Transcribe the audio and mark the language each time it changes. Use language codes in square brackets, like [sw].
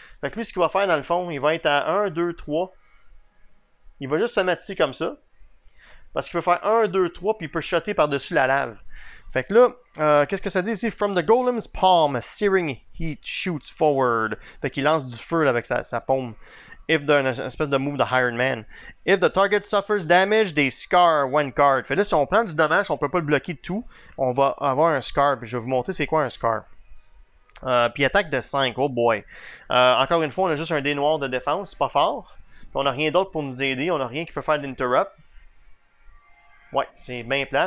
[fr] Fait que lui ce qu'il va faire dans le fond, il va être à 1, 2, 3, il va juste se mettre ici comme ça, parce qu'il peut faire 1, 2, 3, puis il peut shotter par dessus la lave. Fait que là, qu'est-ce que ça dit ici? [en] From the golem's palm, searing heat shoots forward. [fr] Fait qu'il lance du feu avec sa paume. [en] If the, [fr] une espèce de move de Iron Man. [en] If the target suffers damage, they scar one card. [fr] Fait que là, si on prend du dommage, on peut pas le bloquer de tout, on va avoir un scar. Puis je vais vous montrer c'est quoi un scar. Puis attaque de 5, [en] oh boy. [fr] Encore une fois, on a juste un dé noir de défense, c'est pas fort. Puis on a rien d'autre pour nous aider, on a rien qui peut faire d'interrupt. Ouais, c'est bien plat.